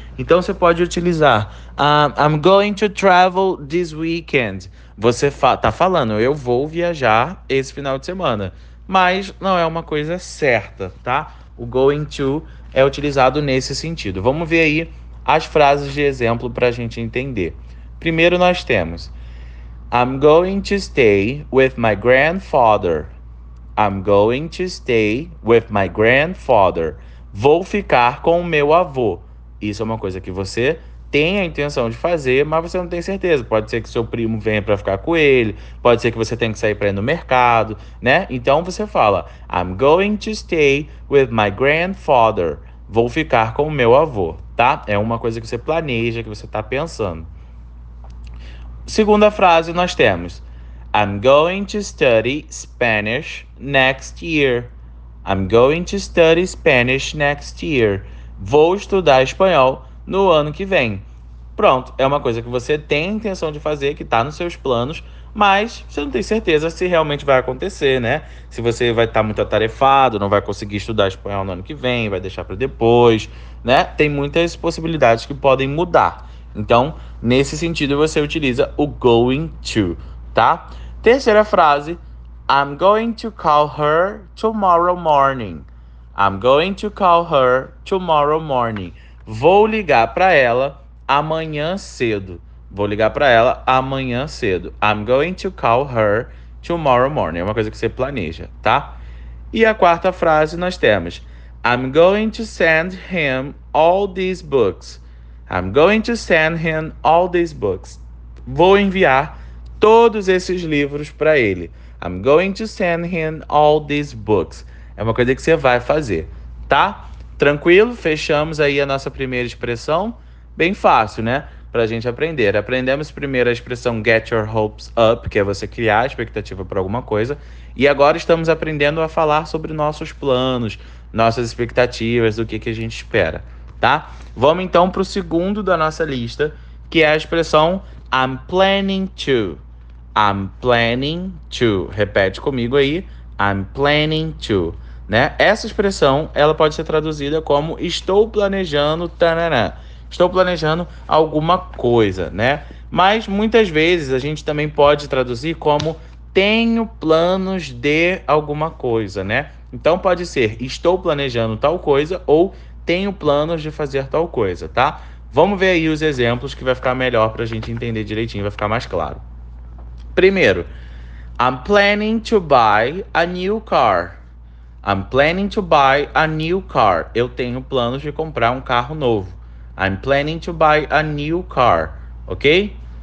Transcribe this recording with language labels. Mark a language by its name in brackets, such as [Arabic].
[Portuguese] Então você pode utilizar [English] I'm going to travel this weekend. [Portuguese] Você fa tá falando, eu vou viajar esse final de semana, mas não é uma coisa certa, tá? O going to é utilizado nesse sentido. Vamos ver aí as frases de exemplo para a gente entender. Primeiro nós temos: [English] I'm going to stay with my grandfather. I'm going to stay with my grandfather. [Portuguese] Vou ficar com o meu avô. Isso é uma coisa que você tem a intenção de fazer, mas você não tem certeza. Pode ser que seu primo venha para ficar com ele, pode ser que você tenha que sair para ir no mercado, né? Então você fala: [English] I'm going to stay with my grandfather. [Portuguese] Vou ficar com o meu avô, tá? É uma coisa que você planeja, que você está pensando. Segunda frase nós temos: [English] I'm going to study Spanish next year. I'm going to study Spanish next year. [Portuguese] Vou estudar espanhol no ano que vem. Pronto, é uma coisa que você tem a intenção de fazer, que está nos seus planos, mas você não tem certeza se realmente vai acontecer, né? Se você vai estar muito atarefado, não vai conseguir estudar espanhol no ano que vem, vai deixar para depois, né? Tem muitas possibilidades que podem mudar. Então, nesse sentido, você utiliza o going to, tá? Terceira frase: [English] I'm going to call her tomorrow morning. I'm going to call her tomorrow morning. [Portuguese] Vou ligar para ela amanhã cedo. Vou ligar para ela amanhã cedo. [English] I'm going to call her tomorrow morning. [Portuguese] É uma coisa que você planeja, tá? E a quarta frase nós temos: [English] I'm going to send him all these books. I'm going to send him all these books. [Portuguese] Vou enviar todos esses livros para ele. [English] I'm going to send him all these books. [Portuguese] É uma coisa que você vai fazer, tá? Tranquilo? Fechamos aí a nossa primeira expressão. Bem fácil, né? Para a gente aprender. Aprendemos primeiro a expressão get your hopes up, que é você criar a expectativa para alguma coisa. E agora estamos aprendendo a falar sobre nossos planos, nossas expectativas, o que que a gente espera, tá? Vamos então para o segundo da nossa lista, que é a expressão I'm planning to. [English] I'm planning to. [Portuguese] Repete comigo aí. [English] I'm planning to. Né? [Portuguese] Essa expressão ela pode ser traduzida como estou planejando, tarará. Estou planejando alguma coisa, né? Mas muitas vezes a gente também pode traduzir como tenho planos de alguma coisa, né? Então pode ser estou planejando tal coisa ou tenho planos de fazer tal coisa, tá? Vamos ver aí os exemplos que vai ficar melhor para a gente entender direitinho, vai ficar mais claro. [English] Primeiro, I'm planning to buy a new car. I'm planning to buy a new car. [Portuguese] Eu tenho planos de comprar um carro novo. [English] I'm planning to buy a new car, ok?